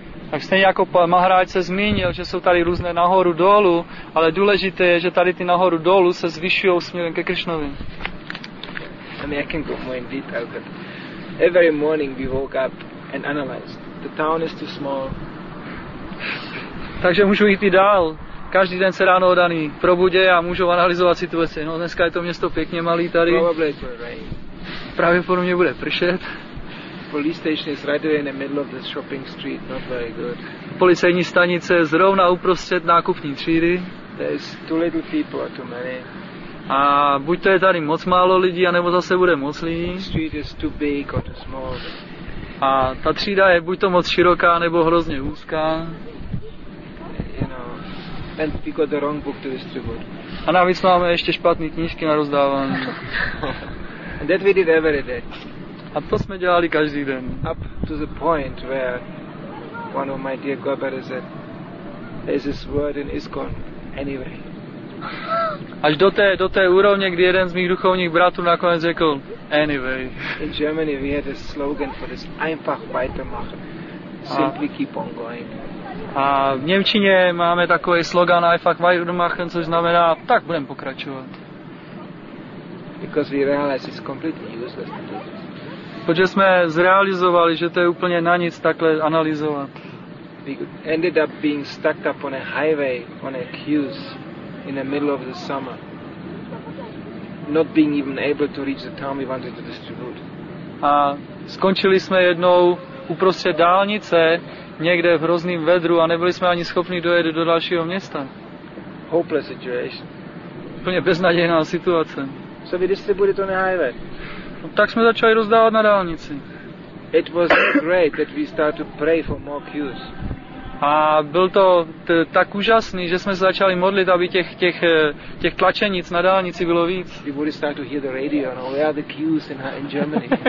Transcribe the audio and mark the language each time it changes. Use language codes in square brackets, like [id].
[cs] Tak stejně jako Maharaj se zmínil, že jsou tady různé nahoru dolů, ale důležité je, že tady ty nahoru dolů se zvyšují směrem ke Krišnovi. [en] I mean, I can go more in detail, but every morning we woke up and analyzed. The town is too small. [cs] Takže můžu jít i dál. Každý den se ráno odaný probudí a můžu analyzovat situaci. No, dneska je to město pěkně malý tady. [en] Probably it will rain. [cs] Pravděpodobně bude pršet. [en] Police station is right away in the middle of the shopping street, not very good. [cs] Policejní stanice zrovna uprostřed nákupní třídy. [en] There's too little people or too many. [cs] A buď to je tady moc málo lidí, anebo zase bude moc lidí. [en] The street is too big or too small. [cs] A ta třída je buď to moc široká, nebo hrozně úzká. [en] And we got the wrong book to distribute. [cs] A navíc máme ještě špatné knížky na rozdávání. [en] And that we did every day. [cs] A to jsme dělali každý den. [en] Up to the point where one of my dear godbrothers said, there's this word in ISKCON anyway. [cs] Až do té úrovně, kdy jeden z mých duchovních bratů nakonec řekl, anyway. [en] In Germany we had a slogan for this, [de] einfach weitermachen. [en] Simply keep on going. [cs] A v němčině máme takový slogan [de] einfach weitermachen, [cs] což znamená, tak budeme pokračovat. [en] Because we realize it's completely useless to do this. [cs] Protože jsme zrealizovali, že to je úplně na nic takhle analyzovat. [en] We ended up being stuck up on a highway, on a queue, in the middle of the summer. Not being even able to reach the town we wanted to distribute. [cs] A skončili jsme jednou uprostřed dálnice, někde v hrozným vedru a nebyli jsme ani schopni dojet do dalšího města. [en] Hopeless situation. [cs] Úplně beznadějná situace. [en] So we distributed on a highway. [cs] Tak jsme začali rozdávat na dálnici. [en] It was great that we started to pray for more queues. [cs] A byl to tak úžasný, že jsme se začali modlit, aby těch tlačenic na dálnici bylo víc. [en] We would start to hear the radio and where are the queues in Germany?